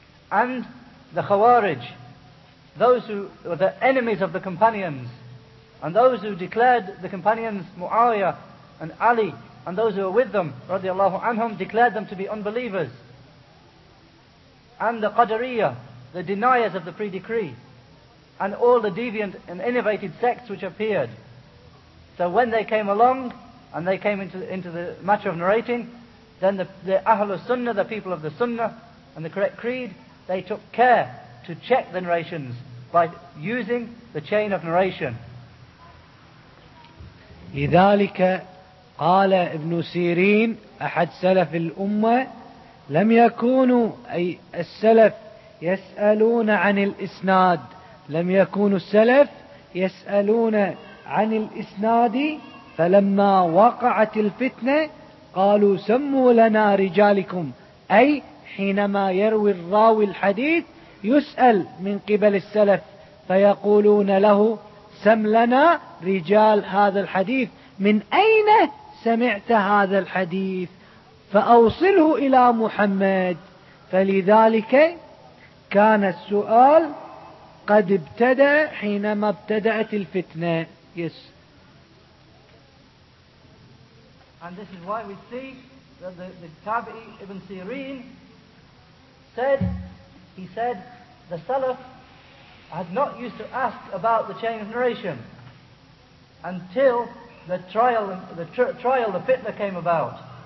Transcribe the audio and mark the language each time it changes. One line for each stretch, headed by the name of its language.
English: And the Khawarij, those who were the enemies of the companions, and those who declared the companions Muawiyah and Ali and those who were with them
Arabic: radiallahu anhum
English: declared them to be unbelievers, and the Qadariya, the deniers of the pre-decree, and all the deviant and innovated sects which appeared. So when they came along and they came into the matter of narrating, then the Ahlul Sunnah, the people of the Sunnah and the correct creed, they took care to check the narrations by using the chain of narration.
Arabic: لذلك قال ابن سيرين أحد سلف الأمة لم يكونوا أي السلف يسألون عن الإسناد لم يكونوا السلف يسألون عن الإسناد فلما وقعت الفتنة قالوا سموا لنا رجالكم أي حينما يروي الراوي الحديث يسأل من قبل السلف فيقولون له سم لنا رجال هذا الحديث من أين سمعت هذا الحديث فأوصله إلى محمد فلذلك كان السؤال قد ابتدأ حينما ابتدأت الفتنة.
English: Yes. And this is why we see that the Tabi'i Ibn Sirin said the Salaf had not used to ask about the chain of narration until the fitna came about.